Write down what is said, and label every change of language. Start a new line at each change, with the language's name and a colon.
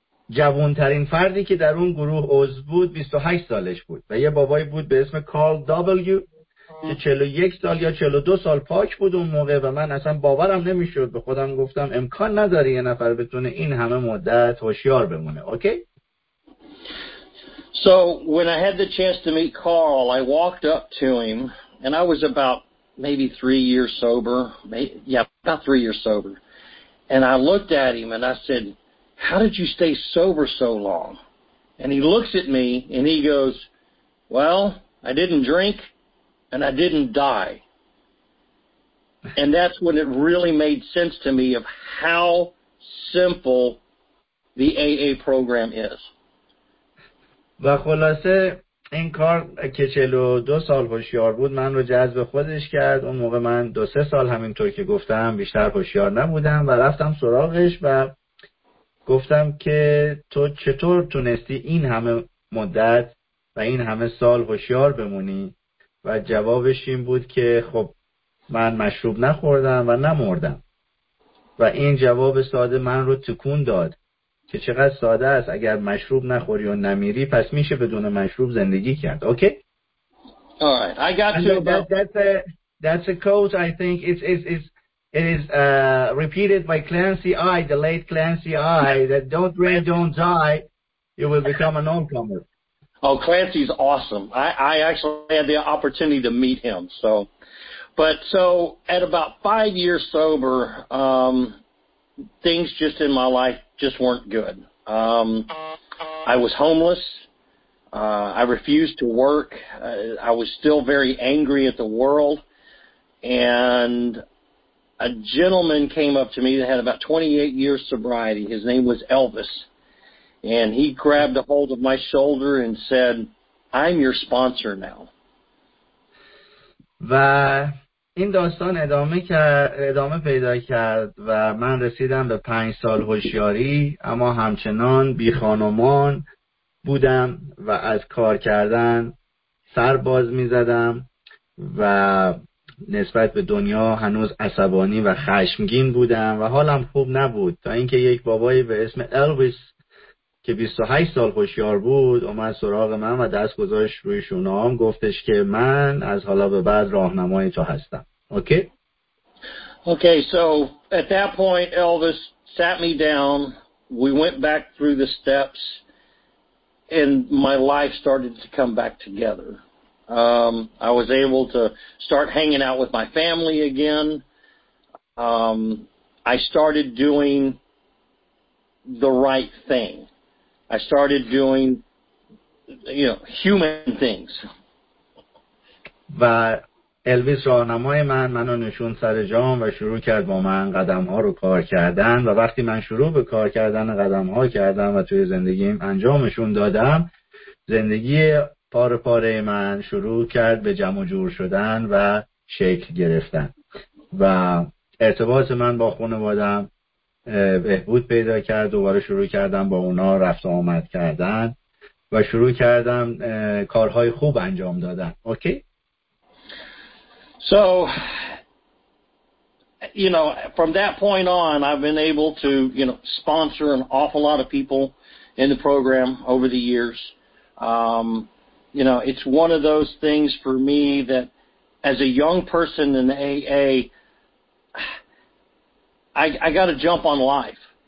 Persian: جوانترین فردی که در اون گروه عضو بود 28 سالش بود و یه بابایی بود به اسم کارل دابلیو 41 سال یا 42 سال پاک بود اون موقع و من اصلا باورم نمیشد. به خودم گفتم امکان نداره یه نفر بتونه این همه مدت هوشیار بمونه. اوکی؟
English: So when I had the chance to meet Carl, I walked up to him and I was about maybe 3 years sober. About 3 years sober. And I looked at him and I said, "How did you stay sober so long?" And he looks at me and he goes, "Well, I didn't drink and I didn't die." And that's when it really made sense to me of how simple the AA program is.
Persian: و خلاصه این کار که 42 سال هوشیار بود من رو جذب خودش کرد. اون موقع من 2-3 سال همینطور که گفتم بیشتر هوشیار نبودم و رفتم سراغش و گفتم که تو چطور تونستی این همه مدت و این همه سال هوشیار بمونی؟ و جوابش این بود که خب من مشروب نخوردم و نمردم. و این جواب ساده من رو تکون داد که چقدر ساده است، اگر مشروب نخوری و نمیری پس میشه بدون مشروب زندگی کرد. اوکی؟
English: All right. I got you. That's a quote. I think it is repeated by Clancy I, the late Clancy I, that don't drink, don't die, you will become an oncomer. Oh, Clancy's awesome. I actually had the opportunity to meet him. So at about 5 years sober, things just in my life just weren't good. I was homeless. I refused to work. I was still very angry at the world. And a gentleman came up to me that had about 28 years sobriety. His name was Elvis. And he grabbed a hold of my shoulder and said, "I'm your sponsor now."
Persian: و این داستان ادامه پیدا کرد و من رسیدم به 5 سال هوشیاری، اما همچنان بی خانمان بودم و از کار کردن سر باز می زدم و نسبت به دنیا هنوز عصبانی و خشمگین بودم و حالم خوب نبود، تا اینکه یک بابایی به اسم الویس که 28 سال هوشیار بود اومد سراغ من و دست گذاشت روی شونه‌ام، گفتش که من از حالا به بعد راهنمای تو هستم.
English: Okay, so at that point Elvis sat me down, we went back through the steps and my life started to come back together. I was able to start hanging out with my family again. I started doing the right thing. I started doing, you know, human things.
Persian: و الویس راهنمای من منو نشون سر جام و شروع کرد با من قدم ها رو کار کردن و وقتی من شروع به کار کردن قدم ها کردم و توی زندگیم انجامشون دادم، زندگی پاره پاره من شروع کرد به جمع جور شدن و شکل گرفتن و ارتباط من با خانوادم بهبود پیدا کرد. دوباره شروع کردم با اونا رفت آمد کردن و شروع کردم کارهای خوب انجام دادن. اوکی؟
English: So, you know, from that point on, I've been able to, you know, sponsor an awful lot of people in the program over the years. You know, it's one of those things for me that as a young person in AA, I got to jump on life.